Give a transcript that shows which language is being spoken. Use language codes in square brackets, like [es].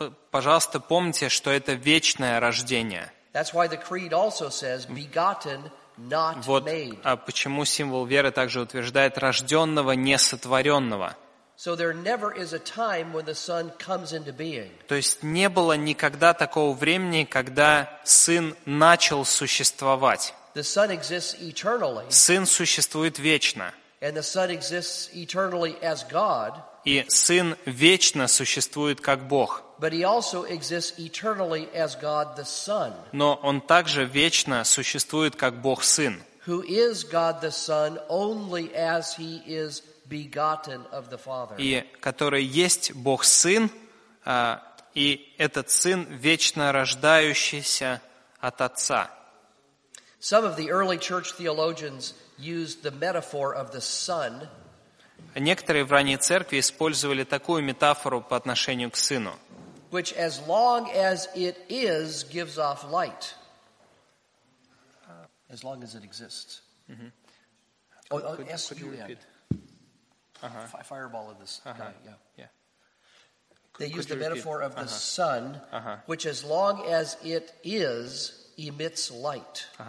[ru] Пожалуйста, помните, что это вечное рождение. [en] That's why the creed also says, begotten. Not made. [ru] Вот, почему символ веры также утверждает рожденного, несотворенного. [en] So there never is a time when the Son comes into being. [ru] То есть не было никогда такого времени, когда Сын начал существовать. [en] The Son exists eternally. [ru] Сын существует вечно. [en] And the Son exists eternally as God. [ru] И Сын вечно существует как Бог. [en] But he also exists eternally as God the Son. [ru] Но он также вечно существует как Бог Сын. [en] Who is God the Son only as he is begotten of the Father. [ru] И который есть Бог Сын, и этот Сын вечно рождающийся от Отца. [en] Some of the early church theologians used the metaphor of the Son. [ru] Некоторые в ранней церкви использовали такую метафору по отношению к Сыну. [en] Which as long as it is gives off light. As long as it exists. Fireball of this guy. They used the metaphor of the sun, which as long as it is emits light.